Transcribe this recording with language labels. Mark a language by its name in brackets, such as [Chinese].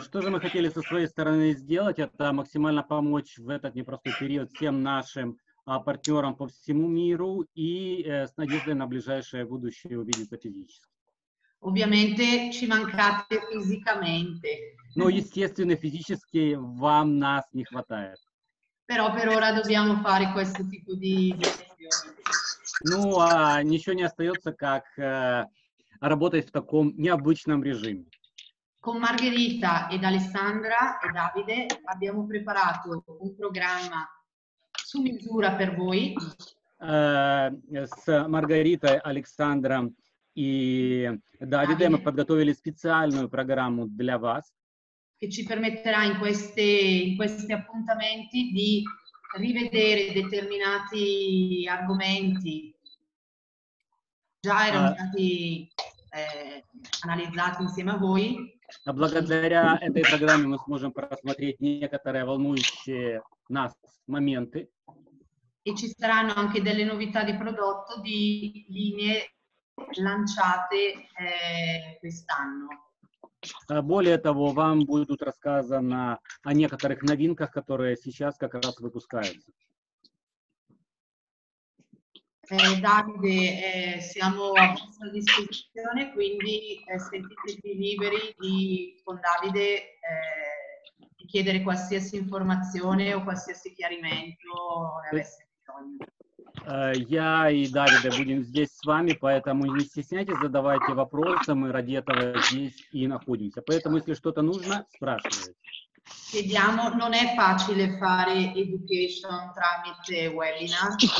[Russian] Что же мы хотели со своей стороны сделать? Это максимально помочь в этот непростой период всем нашим партнерам по всему миру и с надеждой на ближайшее будущее увидеться физически. [Italian] Ovviamente ci mancate fisicamente. [Russian] Но естественно физически вам нас не хватает. [Italian] Però per ora dobbiamo fare questo tipo di gestione. [Russian] Ну а ничего не остается, как работать в таком необычном режиме. [Italian] Con Margherita ed Alessandra e Davide abbiamo preparato un programma su misura per voi. [Russian] С Маргаритой, Александром и Давидом мы подготовили специальную программу для вас, [Italian] che ci permetterà in questi appuntamenti di rivedere determinati argomenti già erano stati analizzati insieme a voi. [Russian] Благодаря этой программе мы сможем просмотреть некоторые волнующие нас моменты. [Italian] E ci saranno anche delle novità di prodotto, di linee lanciate quest'anno. [Russian] Более того, вам будут рассказано о некоторых новинках, которые сейчас как раз выпускаются. [Italian] Davide, siamo a vostra disposizione, quindi sentitevi liberi di con Davide di chiedere qualsiasi informazione o qualsiasi chiarimento ne avesse bisogno. [Russian] Я и Давида будем здесь с вами, поэтому не стесняйтесь, задавайте вопросы, мы ради этого здесь и находимся. Поэтому, если что-то нужно, спрашивайте. [Italian] Chiediamo, non è facile fare education tramite webinar.